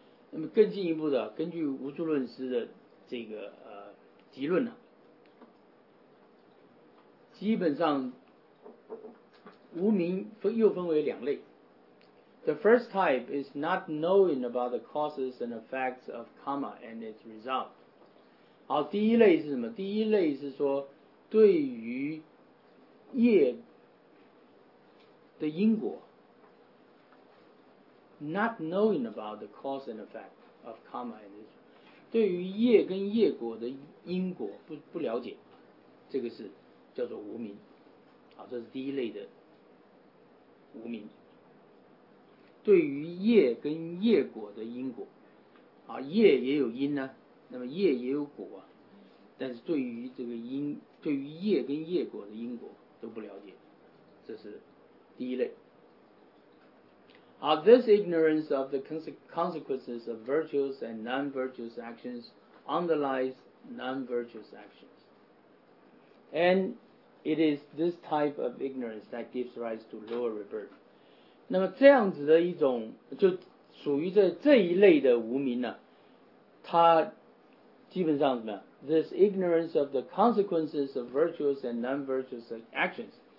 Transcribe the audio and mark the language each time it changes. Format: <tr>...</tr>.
<zh>那么更进一步的，根据无助论师的这个集论呢、啊，基本上无明又分为两类。</zh> <en>The first type is not knowing about the causes and effects of karma and its result。</en> <zh>好，第一类是什么？第一类是说对于业的因果</zh> <en>not knowing about the cause and effect of karma and its result，</en> <zh>对于业跟业果的因果 不了解，这个是叫做无明，啊，这是第一类的无明。对于业跟业果的因果，啊，业也有因呢、啊，那么业也有果啊，但是对于这个因，对于业跟业果的因果都不了解，这是第一类。</zh> <en>Are this ignorance of the consequences of virtuous and non-virtuous actions underlies non-virtuous actions? And it is this type of ignorance that gives rise to lower rebirth.</en> <zh>那么这样子的一种就属于这一类的无明呢，它基本上怎么样？</zh> <en>This ignorance of the consequences of virtuous and non-virtuous actions.</en>